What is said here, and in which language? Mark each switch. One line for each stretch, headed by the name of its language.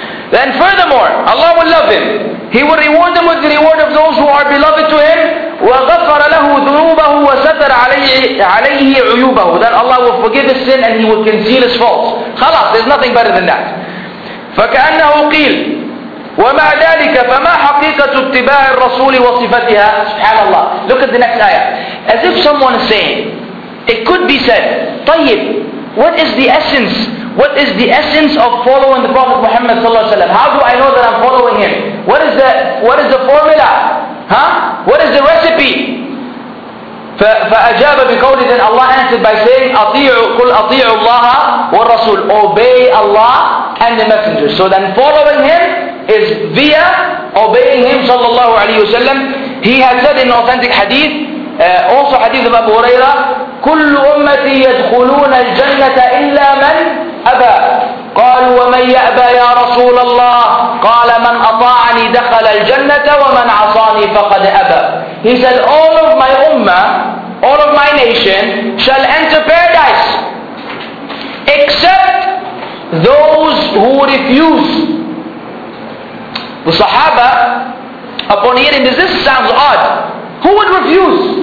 English: Then furthermore, Allah will love him. He will reward them with the reward of those who are beloved to him.
Arabic: وَغَفَّرَ لَهُ ذُنُوبَهُ وَسَتَرَ عَلَيْهِ عُيُوبَهُ.
English: Then Allah will forgive his sin and he will conceal his faults. خلاص, there's nothing better than that.
Arabic: فَكَأَنَّهُ قِيلٌ. ومع ذلك فما حقيقة اتباع الرسول وصفتها سبحان الله.
English: Look at the next ayah. As if someone is saying, it could be said, طيب, what is the essence? What is the essence of following the Prophet Muhammad
Arabic: صلى الله عليه وسلم?
English: How do I know that I'm following him? What is the formula? Huh? What is the recipe?
Arabic: فأجاب بقوله,
English: then Allah answered by saying,
Arabic: قل أطيعوا الله والرسول.
English: Obey Allah and the Messenger. So then following him is via obeying him
Arabic: صلى الله عليه وسلم.
English: He has said in authentic hadith, also hadith of Abu Huraira,
Arabic: كل أمتي يدخلون الجنة إلا من أبى. قال ومن يأبى يا رسول الله. قال من أطاعني دخل الجنة ومن عصاني فقد أبى.
English: He said, all of my ummah, all of my nation shall enter paradise except those who refuse. The Sahaba, upon hearing this, this sounds odd. Who would refuse?